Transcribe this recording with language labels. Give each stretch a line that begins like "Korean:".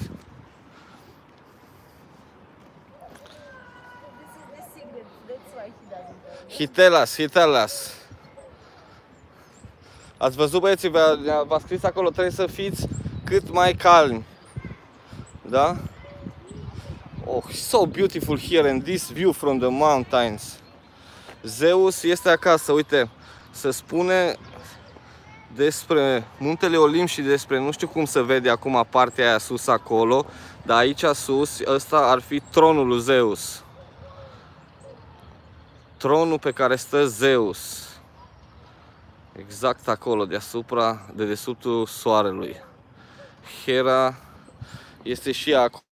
English: This is the secret, that's why he doesn't tell us. Hitelas, hitelas.
Romanian: Ați văzut, băieții, v-a scris acolo, trebuie să fiți cât mai calmi. Da?
English: Oh, so beautiful here in this view from the mountains.
Romanian: Zeus este acasă, uite, se spune despre muntele Olimp și despre, nu știu cum se vede acum partea aia sus acolo, dar aici sus, ăsta ar fi tronul lui Zeus. Tronul pe care stă Zeus. Exact acolo, deasupra, de desubtul soarelui. Hera este și acolo.